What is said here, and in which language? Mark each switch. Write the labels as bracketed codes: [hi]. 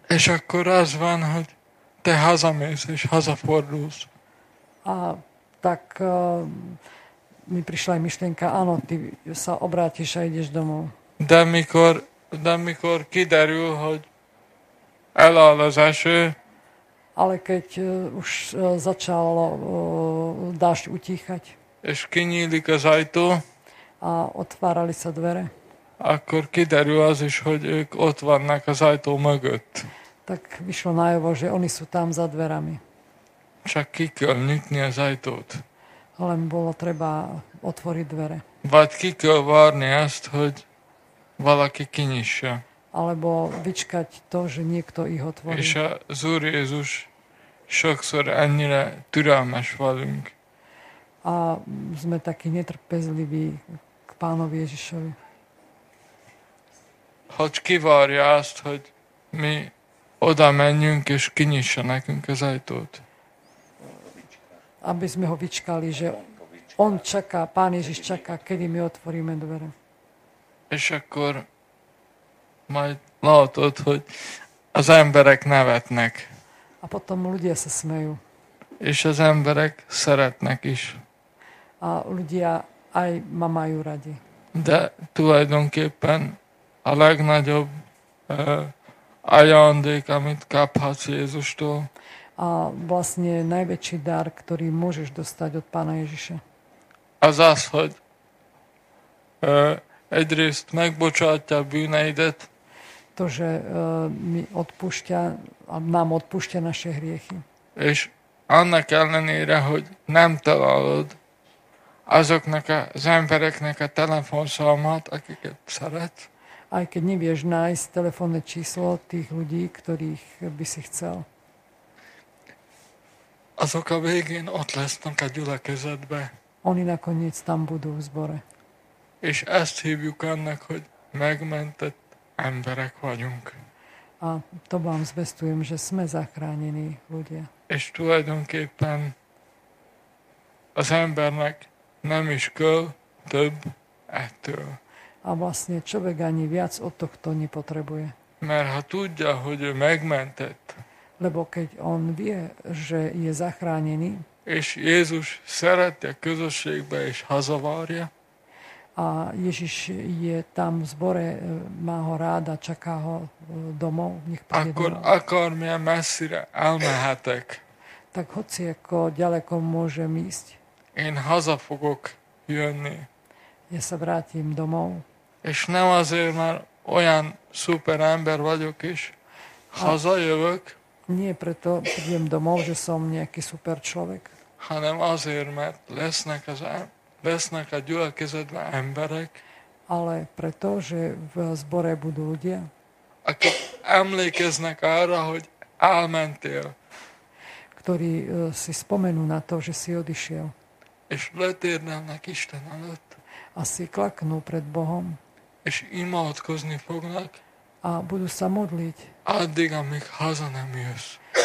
[hu] És akkor az van, hogy te hazamész és hazafordulsz. [sk] A tak mi prišla aj myšlienka, áno, ty sa obrátiš a ideš domov. [hu] De mikor kiderül, hogy eláll az eső. [sk] Ale keď už začal dážď utíchať. [hu] És kinyílik az ajtó. [sk] A otvárali sa dvere. [hu] Akkor kiderül az is, hogy ők ott vannak az ajtó mögött. [sk] Tak vyšlo najavo, že oni sú tam za dverami. [hu] Csak ki kell nyitni az ajtót. [sk] Len bolo treba otvoriť dvere. [hu] Vagy ki kell várni azt, hogy valaki kinyissa. [sk] Alebo vyčkať to, že niekto ich otvorí. [hu] És az Úr Jézus sokszor ennyire türelmes velünk. [sk] A sme takí netrpezliví k Pánovi Ježišovi. [hu] Hogy kivárja azt, hogy mi oda menjünk és kinyissa nekünk az ajtót. [sk] Aby sme ho vyčkali, že on čaká, Pán Ježiš čaká, kedy my otvoríme dvere. [hu] És akkor majd látod, hogy az emberek nevetnek. [sk] A potom ľudia sa smejú. [hu] És az emberek szeretnek is. [sk] A ľudia aj ma majú radi. [hu] De tulajdonképpen a legnagyobb ajándék, amit kaphatsz Jézustól. [sk] A vlastne najväčší dar, ktorý môžeš dostať od Pána Ježiša. [hu] A zás, hogy egyrészt megbocsátja bűneidet. [sk] To, že mi odpúšťa, nám odpúšťa naše hriechy. [hu] És annak ellenére, hogy nem találod azoknak az embereknek a telefonszámát, akiket szeret. [sk] Aj keď nevieš nájsť telefónne číslo tých ľudí, ktorých by si chcel. [hu] Azok a végén ott lesznek a gyülekezetbe. [sk] Oni nakoniec tam budú v zbore. [hu] És ezt hívjuk annak, hogy megmentett emberek vagyunk. [sk] A to vám zvestujem, že sme zachránení ľudia. [hu] És tulajdonképpen az embernek nem is kell több ettől. [sk] A vlastne človek ani viac od tohto nepotrebuje. [hu] Mert ha tudja, hogy ő megmentett. [sk] Lebo keď on vie, že je zachránený. [hu] És Jézus szeretje közösségbe és hazavárja. [sk] A Ježiš je tam v zbore, má ho rád a čaká ho domov. Nech príde [hu] akkor [sk] domov. [hu] Akar [sk] mňa [hu] messzire elmehetek. [sk] Tak hoci ako ďaleko môžem ísť. [hu] Én hazafogok jönni. [sk] Ja sa vrátim domov. [hu] És nem azért, mert olyan szuper ember vagyok is. Hazajövök. [sk] Nie preto prídem domov, že som nejaký super človek. [hu] Hanem azért, mert lesznek a gyülekezetben emberek. [sk] Ale preto, že v zbore budú ľudia. [hu] Akik emlékeznek arra, hogy elmentél. [sk] Ktorí si spomenú na to, že si odišiel. [hu] És letérnem nek Isten előtt. [sk] Asi klaknú pred Bohom. [hu] és imádkozni fognak. [sk] A budú sa modliť. [hu] Addig, amíg haza nem jössz.